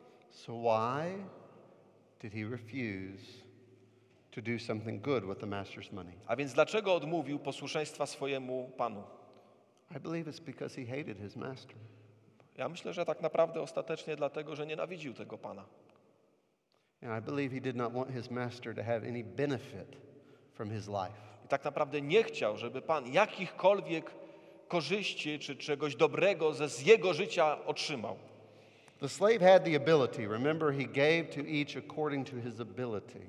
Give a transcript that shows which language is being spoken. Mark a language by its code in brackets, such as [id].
[en] So why did he refuse to do something good with the master's money? [pl] A więc dlaczego odmówił posłuszeństwa swojemu panu? [en] I believe it's because he hated his master. [pl] Ja myślę, że tak naprawdę ostatecznie dlatego, że nienawidził tego pana. [en] I believe he did not want his master to have any benefit from his life. [pl] I tak naprawdę nie chciał, żeby pan jakichkolwiek korzyści czy czegoś dobrego z jego życia otrzymał. [en] The slave had the ability. Remember, he gave to each according to his ability.